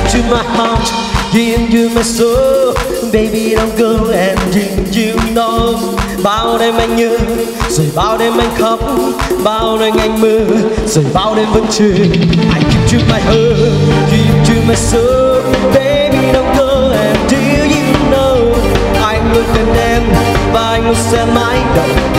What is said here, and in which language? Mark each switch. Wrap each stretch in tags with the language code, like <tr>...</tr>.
<en>My heart, give you my soul, baby don't go. And you know,</en> <vi>bao đêm anh nhớ, rồi bao đêm anh khóc, bao đêm anh mơ, rồi bao đêm vẫn chờ.</vi> <en>I give you my heart, give you my soul, baby don't go. And you know,</en> <vi>anh luôn cần em và anh luôn sẽ mãi đợi.</vi>